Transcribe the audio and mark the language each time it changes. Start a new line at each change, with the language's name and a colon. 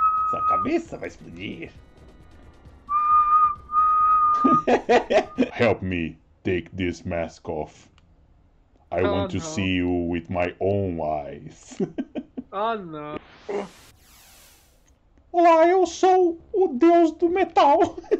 Portuguese: Sua cabeça vai explodir.
English: Help me take this mask off. I want to see you with my own eyes.
Portuguese: Oh, não. Olá, eu sou o deus do metal.